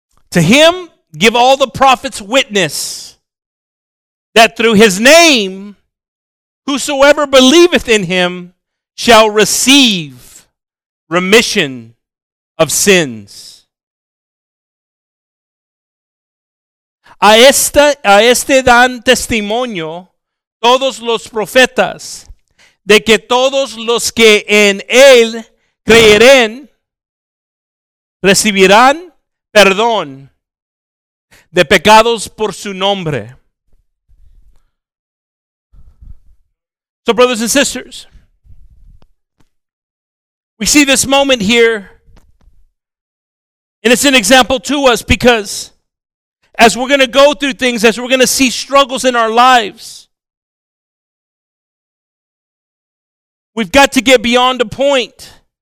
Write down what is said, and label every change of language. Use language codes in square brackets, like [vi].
[en] To him give all the prophets witness that through his name whosoever believeth in him shall receive remission of sins. [es] A este dan testimonio todos los profetas de que todos los que en él creerán recibirán perdón de pecados por su nombre. [en] So brothers and sisters, we see this moment here, and it's an example to us because as we're going to go through things, as we're going to see struggles in our lives, we've got to get beyond a point.